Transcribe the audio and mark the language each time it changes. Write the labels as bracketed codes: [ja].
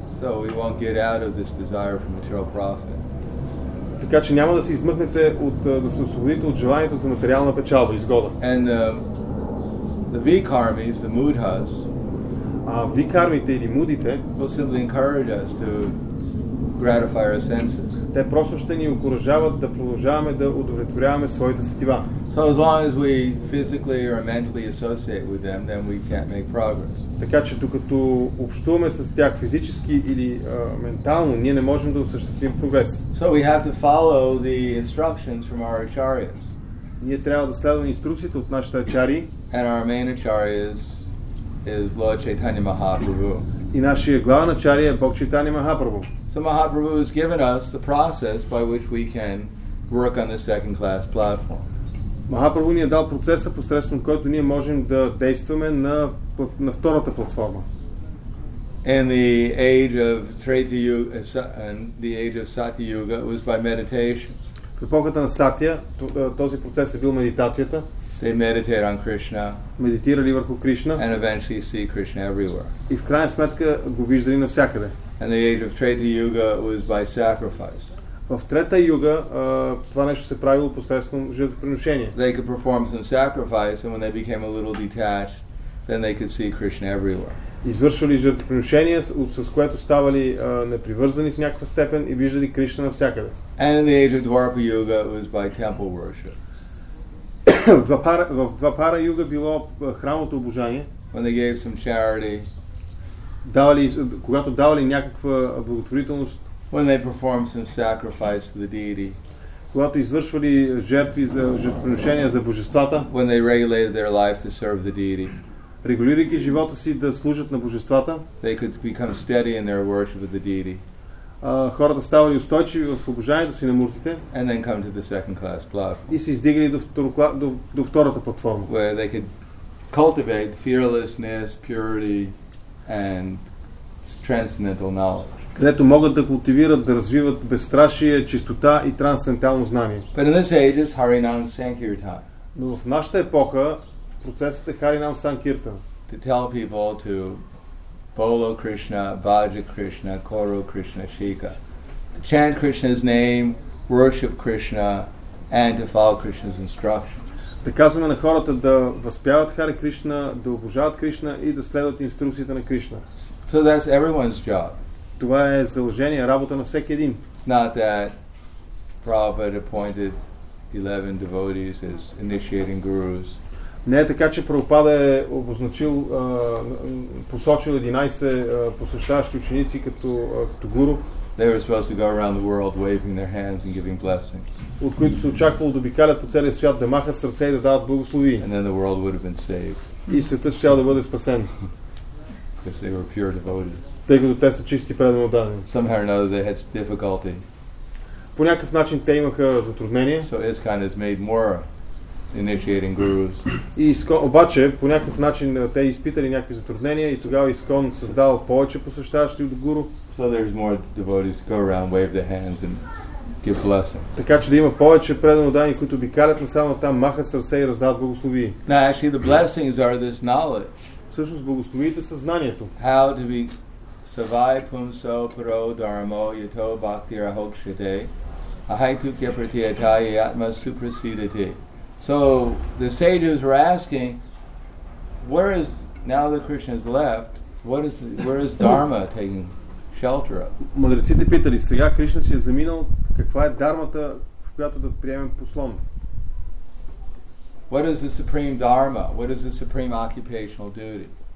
[en] So we won't get out of this desire for material profit. [bg] Така че няма да се измъкнете от да се освободите от желанието за материална печалба, изгода. [en] And the vikarmis, the mudhas, [bg] викармите или мудите, [en] will simply encourage us to gratify our senses. [bg] Те просто ще ни окуражават да продължаваме да удовлетворяваме своите сетива. [en] So as long as we physically or mentally associate with them, then we can't make progress. [bg] Така че докато общуваме с тях физически или ментално, ние не можем да осъществим прогрес. [en] So we have to follow the instructions from our acharyas. [bg] Ние трябва да следваме инструкциите от нашите ачари. [en] And our main acharya is Lord Chaitanya Mahaprabhu. [bg] И нашия главен ачария е Бог Чайтанья Махапрабху. [en] So Mahaprabhu has given us the process by which we can work on the second class platform. [bg] Махапрабху ни е дал процеса, посредством който ние можем да действаме на втората платформа. [en] In the age of Treta Yuga and the age of Satya Yuga, it was by meditation. [bg] В епохата на Сатия този процес е бил медитацията. [en] They meditate on Krishna. [bg] Медитирали върху Кришна. [en] And eventually see Krishna everywhere. [bg] И в крайна сметка го виждали навсякъде. [en] And the age of Treta Yuga was by sacrifice. [bg] В трета юга това нещо се правило посредством жертвоприношение. [en] They could perform some sacrifice, and when they became a little detached, then they could see Krishna everywhere. [bg] Извършвали жертвоприношение, с което ставали непривързани в някаква степен и виждали Кришна навсякъде. [en] And in the age of Dwapara Yuga, it was by temple worship. [bg] В Двапара юга било храмовото обожание. [en] When they gave some charity. [bg] Когато давали някаква благотворителност. [en] When they perform some sacrifice to the deity. [bg] Когато извършвали жертви за жертвоприношения за божествата. [en] When they regulated their life to serve the deity. [bg] Регулирайки живота си да служат на божествата. [en] They could become steady in their worship of the deity. [bg] Хората ставали устойчиви в обожанието си на муртите. [en] And then come to the second class platform. [bg] И се издигали до втората платформа. [en] Where they could cultivate fearlessness, purity and transcendental knowledge. [bg] Където могат да култивират, да развиват безстрашие, чистота и трансцендентално знание. [en] But in this age is Harinam Sankirtan. [bg] Но в нашата епоха процесът е Харинам Санкиртан. [en] To tell people to [bn] Bolo Krishna, Bhaja Krishna, Koro Krishna, Shika. [en] To chant Krishna's name, worship Krishna and to follow Krishna's instructions. [bg] Да казваме на хората да възпяват Хари Кришна, да обожават Кришна и да следват инструкциите на Кришна. [en] So that's everyone's job. [bg] Това е задължение, работа на всеки един. [en] It's not that Prabhupada appointed 11 devotees as initiating gurus. [bg] Не е така, че Прабхупада е обозначил, посочил 11 посещаващи ученици като, като гуру. [en] They were supposed to go around the world waving their hands and giving blessings. [bg] От които се очаквало да обикалят по целия свят, да махат с ръце и да дават благослови. [en] And then the world would have been saved. [bg] И светът щял да бъде спасен. [en] Because they were pure devotees. [bg] Тъй като те са чисти предамодани. [en] Somehow or another they had difficulty. [bg] По някакъв начин те имаха затруднения. [en] So ISKCON has made more initiating gurus. [bg] И обаче по някакъв начин те изпитали някакви затруднения и тогава ИСКОН създал повече посещаващи от гуру. [en] So there's more devotees go around, wave their hands and give blessing. [bg] Така че да има повече предамодани, които обикалят насам там, махат с ръце и раздават благослови. [en] Now actually the blessings are this knowledge. [bg] Всъщност благословите са знанието. [en] How to be [sa] Savai Pumso Puro Dharmo Yato Bhakti Rahokshate Ahaitu Kyaprati Atayi Atma Supersedati. [en] So the sages were asking, where is, now that Krishna has left, what is the, where is Dharma taking shelter of? [bg] Мъдреците питали, сега Кришна си е заминал, каква е дармата, в която да приемем послон? [en] What is the supreme dharma? What is the supreme occupational duty?